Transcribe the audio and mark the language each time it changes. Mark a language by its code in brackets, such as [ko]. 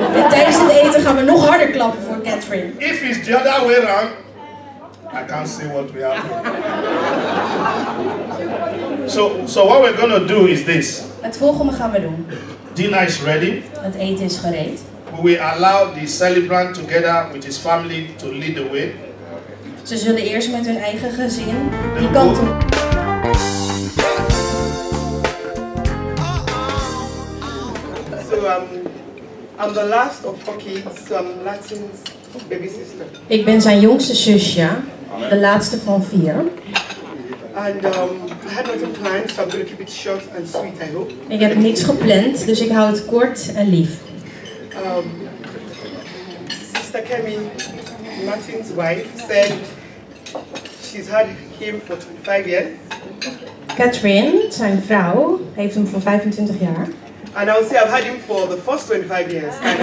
[nl] Tijdens het eten gaan we nog harder klappen voor Catherine. [en] If it's the other way around, I can't see what we are. So what we're gonna do is this. [nl] Het volgende gaan we doen. [en] Dinner is ready. [nl] Het eten is gereed. [en] We will allow the celebrant together with his family to lead the way. [nl] Ze zullen eerst met hun eigen gezin die kant op. [en] I'm the last of four kids, Latin's baby sister. [nl] Ik ben zijn jongste zusje, de laatste van vier. [en] And I had nothing planned, so I'm going to keep it short and sweet, I hope. [nl] Ik heb niets gepland, dus ik hou het kort en lief. [en] Sister Kemi, Latin's wife, said she's had him for 25 years. [nl] Catherine, zijn vrouw, heeft hem voor 25 jaar. [en] And I'll say I've had him for the first 25 years.